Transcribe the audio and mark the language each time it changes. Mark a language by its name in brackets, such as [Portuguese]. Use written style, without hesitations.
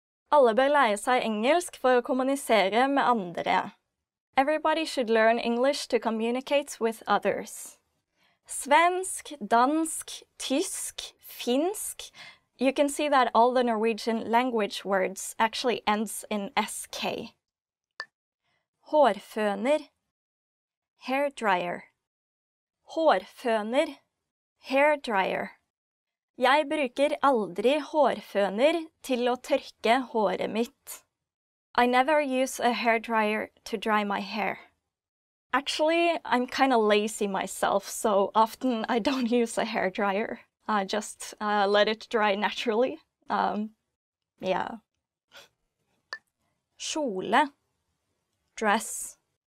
[Norwegian] Alle bør lære seg engelsk for å kommunisere med andre. [English] Everybody should learn English to communicate with others. [Norwegian] Svensk, dansk, tysk, finsk. [English] You can see that all the Norwegian language words actually ends in sk. [Norwegian] Hårføner, [English] hair dryer. [Norwegian] Hårføner, [English] hair dryer. [Norwegian] Jeg bruker aldri hårføner til å tørke håret mitt. [English] I never use a hair dryer to dry my hair. Actually, I'm kind of lazy myself, so often I don't use a hair dryer. I just let it dry naturally. Yeah. [Norwegian] Kjole, dress.